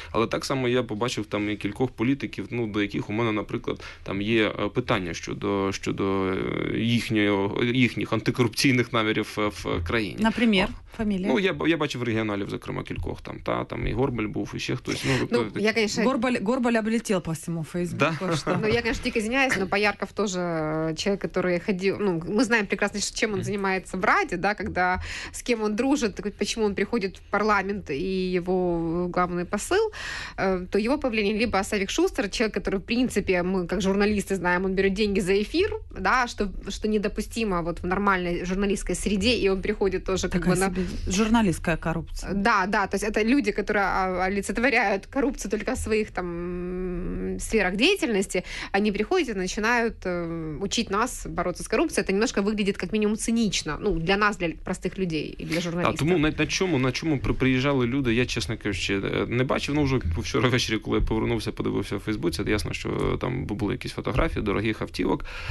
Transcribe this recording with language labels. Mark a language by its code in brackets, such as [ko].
[uk] Але так само я побачив там і кількох політиків, ну, до яких у мене, наприклад, там є питання щодо їхніх антикорупційних намірів в країні. Наприклад, фамілія? Ну, я бачив регіоналів, зокрема, кількох там, там і Горбаль був, і ще хтось. Горбаль [ru] облетел [uk] по всьому Фейсбуку. [ru] Да? Ну, я, конечно, [uk] тільки [ru] извиняюсь, но Поярков тоже человек, который ходил... Ну, мы знаем прекрасно, чем он занимается в Раде, да, когда с кем он дружит, почему он приходит в парламент и его главный посыл, то его появление либо Савик Шустер, человек, который, в принципе, мы как журналисты знаем, он берет деньги за эфир, да, что недопустимо вот в нормальной журналистской среде, и он приходит тоже как такая бы... Журналистская коррупция. Да, да, то есть это люди, которые олицетворяют коррупцию только в своих там сферах деятельности, они приходят и начинают учить нас бороться с коррупцией. Это немножко выглядит как минимум цинично. Ну, для нас, для простых людей и для журналистов. [uk] А тому на чому приїжджали люди, я, чесно кажучи, не бачив. Ну, вже вчора ввечері, коли я повернувся, подивився в Фейсбуці, ясно, що там були якісь фотографії дорогих автівок.